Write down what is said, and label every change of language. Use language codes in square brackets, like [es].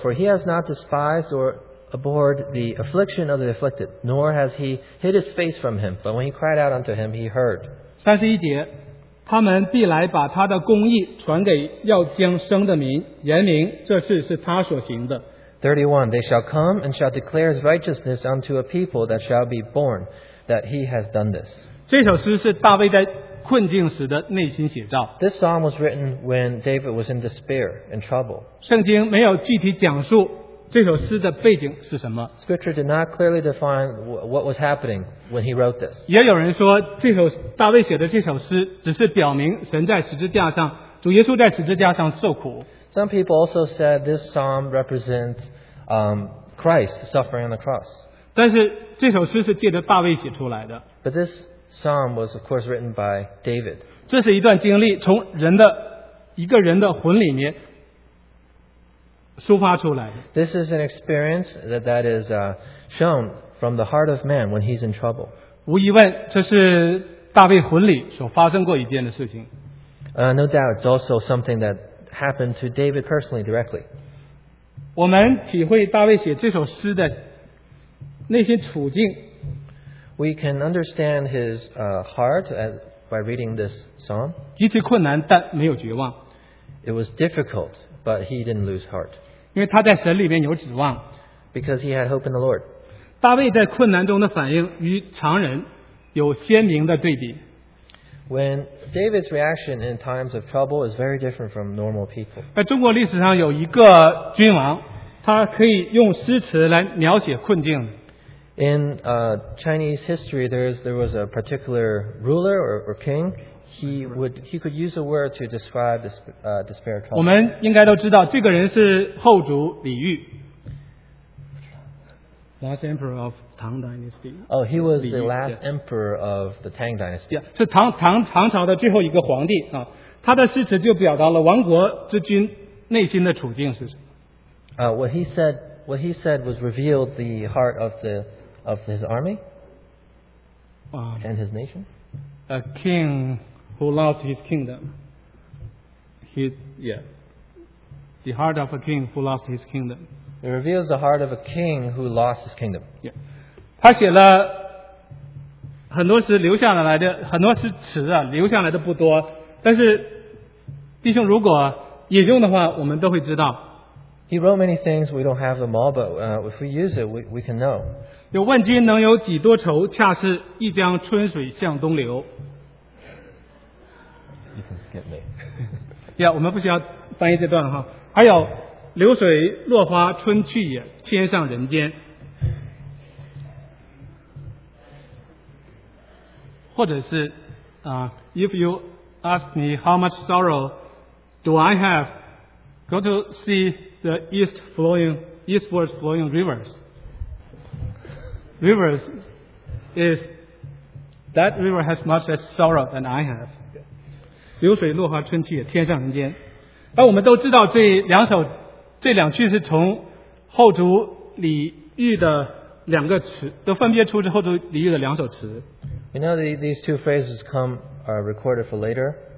[en] For he has not despised or abhorred the affliction of the afflicted, nor has he hid his face from him, but when he cried out unto him, he heard. [zh] 31节, 他们必来把他的公义传给要将生的民，言明这事是他所行的。 [en] 31. They shall come and shall declare his righteousness unto a people that shall be born, that he has done this. [zh] 这首诗是大卫在困境时的内心写照。 [en] This psalm was written when David was in despair and trouble. [zh] 圣经没有具体讲述这首诗的背景是什么？ [en] Scripture did not clearly define what was happening when he wrote this. [zh] 也有人说，这首大卫写的这首诗只是表明神在十字架上，主耶稣在十字架上受苦。 [en] Some people also said this psalm represents Christ suffering on the cross. [zh] 但是这首诗是借着大卫写出来的。 [en] But this psalm was of course written by David. [zh] 这是一段经历，从人的一个人的魂里面抒发出来的。 [en] This is an experience that is shown from the heart of man when he's in trouble. [zh] 无疑问，这是大卫魂里所发生过一件的事情。 [en] No doubt, it's also something that happened to David personally directly. [zh] 我们体会大卫写这首诗的内心处境。 [en] We can understand his heart by reading this psalm. [zh] 极其困难，但没有绝望。 [en] It was difficult. But he didn't lose heart. [zh] 因为他在神里面有指望。 [en] Because he had hope in the Lord. [zh] 大卫在困难中的反应与常人有鲜明的对比。 [en] When David's reaction in times of trouble is very different from normal people. [zh] 在中国历史上有一个君王，他可以用诗词来描写困境。 [en] In Chinese history, there was a particular ruler or king. He could use a word to describe this despair trouble. [zh] 我们应该都知道这个人是后主李煜。 [en] Last emperor of Tang Dynasty. Oh, he was the last emperor of the Tang Dynasty. Yeah, [zh] 是唐朝的最后一个皇帝啊。他的诗词就表达了亡国之君内心的处境是什么。 [en] What he said was revealed the heart of the of his army. And his nation. A king. Who lost his kingdom? The heart of a king who lost his kingdom. It reveals the heart of a king who lost his kingdom. Yeah. [zh] 他写了很多诗留下来的很多诗词啊，留下来的不多。但是弟兄，如果引用的话，我们都会知道。 [en] He wrote many things. We don't have them all, but if we use it, we can know. [zh] 有问君能有几多愁？恰似一江春水向东流。 [en] Yeah, [zh] 我们不需要翻译这段哈。还有流水落花春去也，天上人间。或者是 [en] if you ask me how much sorrow do I have, go to see the eastward flowing rivers. Rivers is, that river has much less sorrow than I have. [zh] 流水落花春去也，天上人间。而我们都知道这两句是从后主李煜的两个词，都分别出自后主李煜的两首词。 [en] You know these two phrases are recorded for later.